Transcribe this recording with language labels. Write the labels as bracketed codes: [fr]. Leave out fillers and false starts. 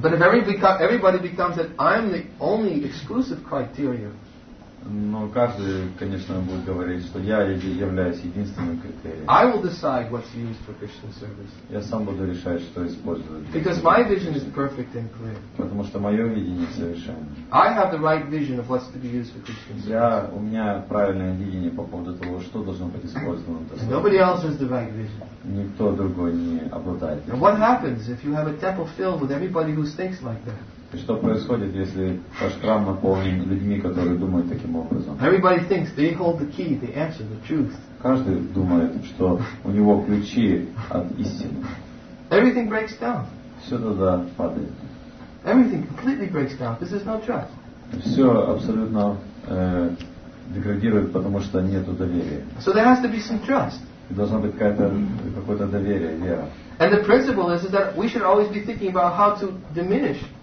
[en] But if everybody becomes that I'm the only exclusive criteria, [ru] но каждый, конечно, будет говорить, что я являюсь единственным критерием. [en] I will decide what's used for Krishna's service. [ru] Я сам буду решать, что использовать. [en] Because my vision is perfect and clear. [ru] Потому что мое видение совершенно. [en] I have the right vision of what's to be used for Krishna's service. [ru] У меня правильное видение по поводу того, что должно быть использовано. [en] Nobody else has the right vision. [ru] Никто другой не обладает. [en] And what happens if you have a temple filled with everybody who thinks like that? [ru] И что происходит, если ваш храм наполнен людьми, которые думают таким образом? [en] Everybody thinks they hold the key, the answer, the truth. [ru] Каждый думает, что у него ключи от истины. [en] Everything breaks down. [ru] Все тогда падает. [en] Everything completely breaks down. This is no trust. [ru] Все абсолютно деградирует, потому что нету доверия. [en] So there has to be some trust. [ru] Должна быть какое-то доверие, вера. [en] And the principle is that we should always be thinking about how to diminish.